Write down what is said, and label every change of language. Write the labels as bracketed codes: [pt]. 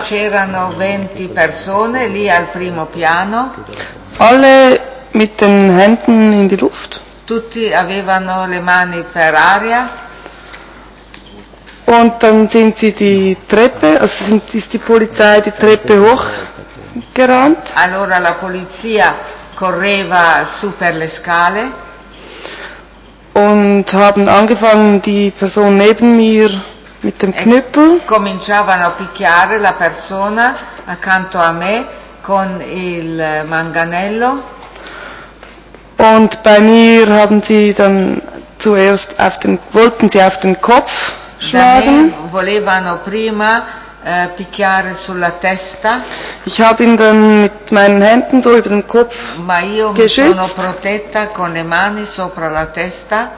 [it] C'erano 20 persone lì al primo piano. [de] Alle mit den Händen in die Luft. [it] Tutti avevano le mani per aria. [de] Und dann sind sie die Treppe, also ist die Polizei die Treppe hochgerannt. [it] Allora la polizia correva su per le scale. [de] Und haben angefangen, die Person neben mir mit dem Knüppel. [it] Cominciavano a picchiare la persona accanto a me con il manganello. [de] Und bei mir haben sie dann zuerst auf den, wollten sie auf den Kopf schlagen. [it] Volevano prima picchiare sulla testa. [de] Ich habe ihn dann mit meinen Händen so über den Kopf geschützt. [it] Ma io mi sono protetta con le mani sopra la testa.